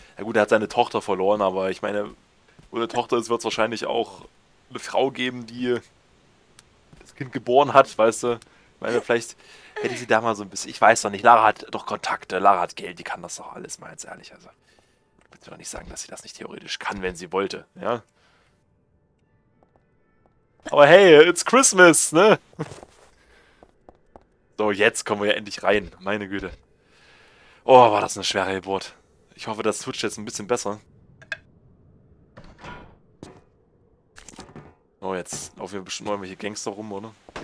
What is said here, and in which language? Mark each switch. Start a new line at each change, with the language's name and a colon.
German: Ja gut, er hat seine Tochter verloren, aber ich meine, ohne Tochter ist, wird es wahrscheinlich auch eine Frau geben, die das Kind geboren hat, weißt du? Ich meine, vielleicht hätte sie da mal so ein bisschen. Ich weiß doch nicht. Lara hat doch Kontakte, Lara hat Geld, die kann das doch alles, mal jetzt ehrlich. Also, ich will doch nicht sagen, dass sie das nicht theoretisch kann, wenn sie wollte, ja? Aber
English: hey, it's Christmas,
German: ne? So, jetzt kommen wir ja endlich rein. Meine Güte. Oh, war das eine schwere Geburt. Ich hoffe, das switcht jetzt ein bisschen besser. Oh, jetzt laufen hier bestimmt irgendwelche Gangster rum, oder?